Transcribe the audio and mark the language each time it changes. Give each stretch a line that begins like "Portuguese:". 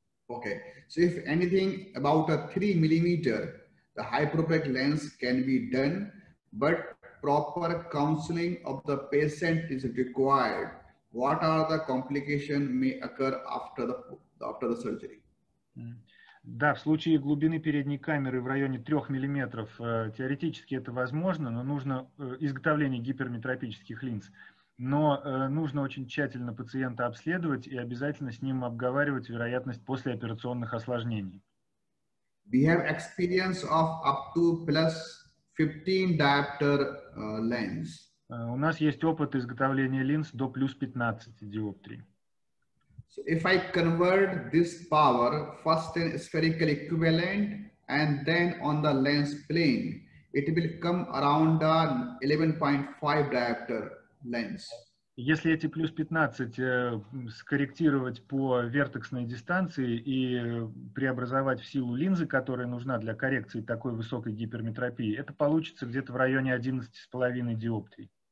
English: Okay, so if anything about a 3 millimeter, the hyperopic lens can be done, but proper counseling of the patient is required. What are the complications may occur after the surgery?
Russian: Да, в случае глубины передней камеры в районе 3 мм, теоретически это возможно, но нужно изготовление гиперметропических линз. Но нужно очень тщательно пациента обследовать и обязательно с ним обговаривать вероятность послеоперационных осложнений.
English: We have experience of up to plus 15 diopter lens.
Russian: У нас есть опыт изготовления линз до плюс 15 диоптрий.
English: So if I convert this power first in spherical equivalent and then on the lens plane, it will come around a 11.5 diopter lens.
Russian: Если эти плюс 15 скорректировать по вертексной дистанции и преобразовать в силу линзы, которая нужна для коррекции такой высокой гиперметропии, это получится где-то в районе 11.5 диоптрий.